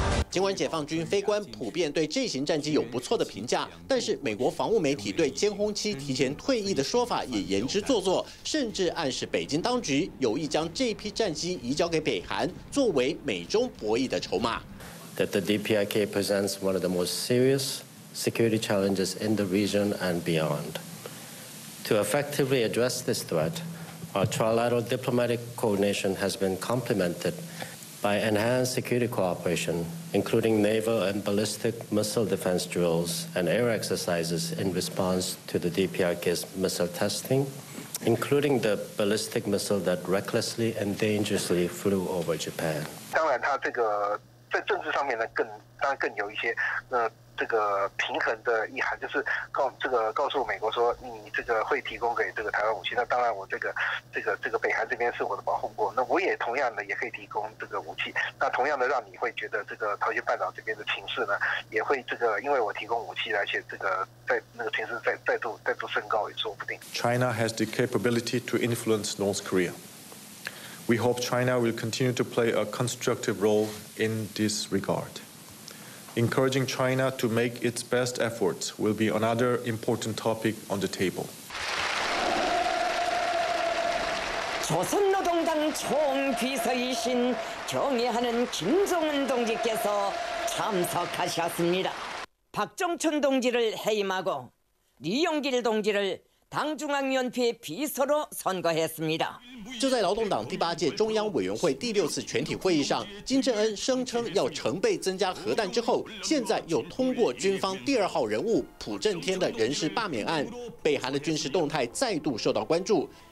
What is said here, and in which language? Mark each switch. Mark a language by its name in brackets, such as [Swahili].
[Chinese] 尽管解放军飞官普遍对这型战机有不错的评价，但是美国防务媒体对歼轰七提前退役的说法也言之凿凿，甚至暗示北京当局有意将这批战机移交给北韩，作为美中博弈的筹码。 [English] That the DPRK presents one of the most serious security challenges in the region and beyond. To effectively address this threat, our trilateral diplomatic coordination has been complemented by enhanced security cooperation. including naval and ballistic missile defense drills and air exercises in response to the DPRK's missile testing, including the ballistic missile that recklessly and dangerously flew over Japan. [Chinese] 当然，它这个在政治上面呢，更有一些这个平衡的意涵，就是告诉美国说，你这个会提供给这个台湾武器，那当然我这个北韩这边是我的保护国，那我也同样的也可以提供这个武器，那同样的让你会觉得这个朝鲜半岛这边的情势呢，也会这个因为我提供武器，而且这个在那个情势再度升高也说不定。 [English] China has the capability to influence North Korea. We hope China will continue to play a constructive role in this regard. Encouraging China to make its best efforts will be another important topic on the table. [Korean] 조선노동당 총비서이신 경애하는 김정은 동지께서 참석하셨습니다. 박정천 동지를 해임하고 리용길 동지를 당중앙위원회 비서로 선거했습니다. [Chinese] 就在劳动党第八届中央委员会第六次全体会议上，金正恩声称要成倍增加核弹之后，现在又通过军方第二号人物朴正天的人事罢免案，北韩的军事动态再度受到关注。